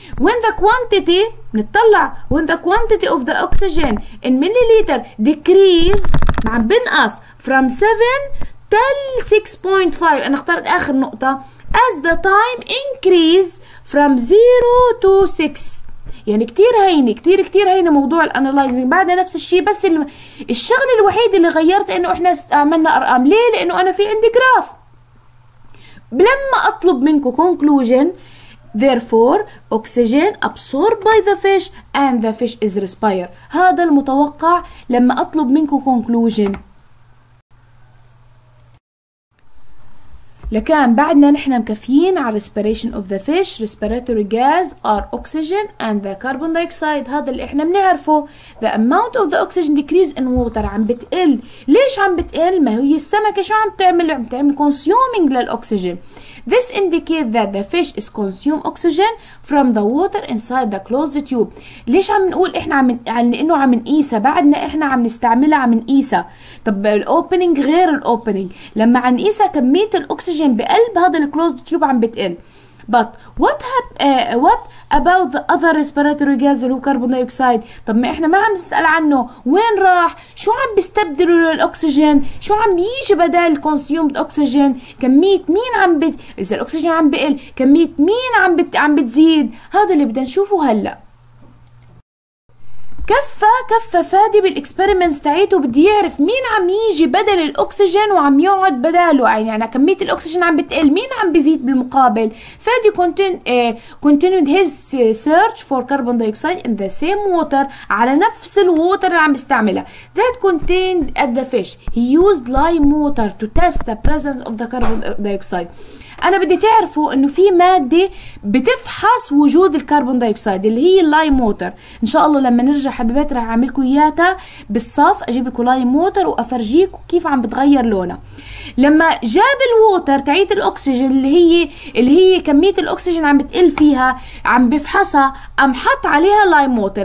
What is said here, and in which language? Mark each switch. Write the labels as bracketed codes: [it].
[en] when the quantity, بنطلع when the quantity of the oxygen in millilitre decrease, [ar] عم بنقص فروم 7 تل 6.5، انا اخترت اخر نقطه، [en] as the time increase from 0 to 6. [ar] يعني كتير هينة، كتير كتير هينة موضوع الانالايزنج. بعد نفس الشيء، بس الشغل الوحيد اللي غيرت انه احنا استعملنا ارقام. ليه؟ لانه انا في عندي جراف. لما اطلب منكم [en] conclusion therefore oxygen absorbed by the fish and the fish is respire، [ar] هذا المتوقع لما اطلب منكم [en] conclusion. [ar] لكان بعدنا نحن مكفيين على [en] respiration of the fish. respiratory gas are oxygen and the carbon dioxide، هذا اللي احنا بنعرفه. the amount of the oxygen decrease in water، [ar] عم بتقل. ليش عم بتقل؟ ما هي السمكة شو عم تعمل؟ عم تعمل consuming للأكسجين. [en] this indicate that the fish is consume oxygen from the water inside the closed tube. [ar] ليش عم نقول احنا عم لانه عم نقيسها، بعدنا احنا عم نستعملها عم نقيسها. طب الاوبننج غير الاوبننج، لما عم نقيسها كميه الاكسجين بقلب هذا الكلوزد تيوب عم بتقل. [en] but what about the other respiratory gas [ar] اللي هو كربون دايوكسيد؟ طب ما احنا ما عم نسال عنه، وين راح؟ شو عم بيستبدلوا للاكسجين؟ شو عم بيجي بدال [en] consumed oxygen؟ [ar] كميه مين عم اذا الاكسجين عم بقل، كميه مين عم بتزيد؟ هذا اللي بدنا نشوفه هلا. كفى كفى فادي بالاكسبيرمنتس تاعيته، بدي يعرف مين عم يجي بدل الاكسجين وعم يقعد بداله، يعني كمية الاكسجين عم بتقل، مين عم بيزيد بالمقابل. [en] فادي continued his search for carbon dioxide in the same water، [ar] على نفس الووتر اللي عم بيستعملها. [en] That contained at the fish. He used lime water to test the presence of the carbon dioxide. [ar] انا بدي تعرفوا انه في ماده بتفحص وجود الكربون دايوكسيد اللي هي اللايم موتر. ان شاء الله لما نرجع حبيبات راح اعمل لكم اياها بالصف، اجيب لكم لايم موتر وافرجيكم كيف عم بتغير لونها. لما جاب الووتر تعيت الاكسجين اللي هي كميه الاكسجين عم بتقل فيها، عم بفحصها، ام حط عليها لايم موتر.